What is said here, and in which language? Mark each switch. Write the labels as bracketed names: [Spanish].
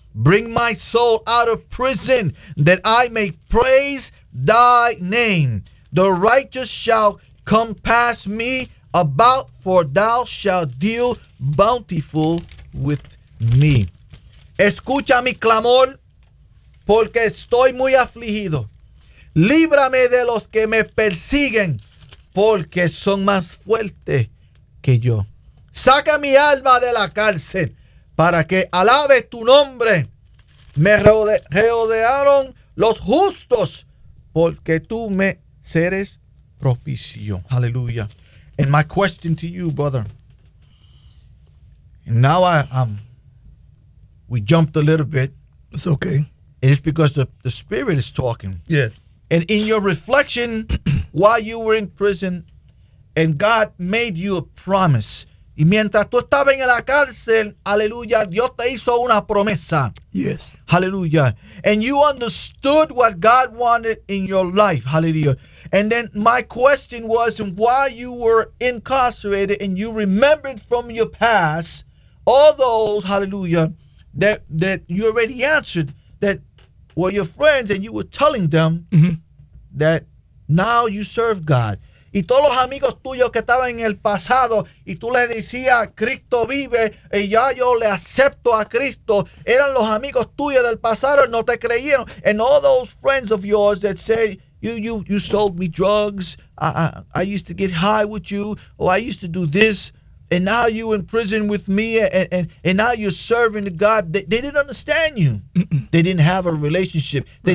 [English] Bring my soul out of prison, that I may praise thy name. The righteous shall come past me about, for thou shalt deal bountiful with me. [Spanish] Escucha mi clamor, porque estoy muy afligido. Líbrame de los que me persiguen, porque son más fuertes que yo. Saca mi alma de la cárcel, para que alabe tu nombre. Me rodearon los justos, porque tú me seres propicio. [English] Hallelujah. And my question to you, brother. And now we jumped a little bit. It's okay. It's because the Spirit is talking. Yes. And in your reflection, while you were in prison, and God made you a promise. [Spanish] Y mientras tú estabas en la cárcel, aleluya, Dios te hizo una promesa. [English] Yes. Hallelujah. And you understood what God wanted in your life. Hallelujah. And then my question was, why you were incarcerated and you remembered from your past all those, hallelujah, that you already answered, that were your friends and you were telling them, mm-hmm, that now you serve God. [Spanish] Y todos los amigos tuyos que estaban en el pasado y tú les decías, Cristo vive y ya yo le acepto a Cristo, eran los amigos tuyos del pasado y no te creyeron. [English] And all those friends of yours that say, You sold me drugs. I used to get high with you. Oh, I used to do this. and now you're in prison with me, and now you're serving God. They didn't understand you. Mm-mm. They didn't have a relationship. They